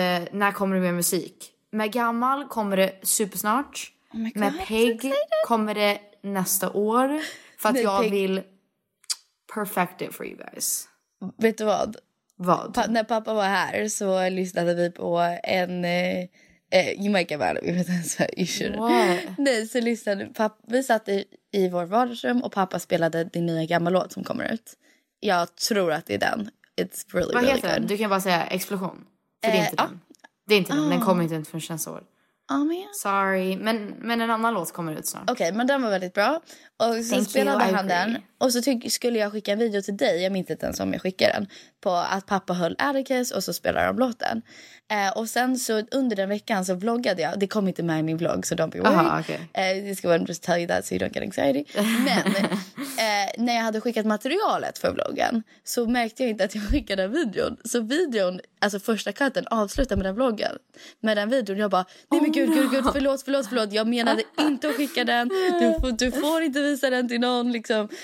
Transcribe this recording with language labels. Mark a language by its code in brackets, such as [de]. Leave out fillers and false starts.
[sv] När kommer det med musik? Med Gammal kommer det supersnart. [en] Oh my God, [sv] med Peg kommer det nästa år. För att jag vill [en] perfect it for you guys. [sv] Vet du vad? Vad? När pappa var här så lyssnade vi på en... [en] you might get mad at me, but that's what you should. [sv] Nej, så lyssnade pappa, vi satt i vår vardagsrum och pappa spelade din nya gamla låt som kommer ut. Jag tror att det är den. [en] It's really, [sv] vad [en] really [sv] heter [en] good. [sv] Du kan bara säga Explosion. För det är inte den. Det är inte den. Den kommer inte ut förrän nästa år. Sorry. Men en annan låt kommer ut snart. Okej, men den var väldigt bra. Och så spelade han den. Och så skulle jag skicka en video till dig. Jag minns inte ens om jag skickade den. På att pappa höll Atticus och så spelade de låten. Och sen så under den veckan så vloggade jag. Det kom inte med i min vlogg, så [en] don't be worried. Okay. I'm just gonna tell you that so you don't get anxiety. [sv] Men när jag hade skickat materialet för vloggen så märkte jag inte att jag skickade den videon. Så videon, alltså första cutten, avslutade med den vloggen. Med den videon, jag bara, nej men gud, förlåt. Jag menade inte att skicka den. Du får inte visa den till någon, liksom.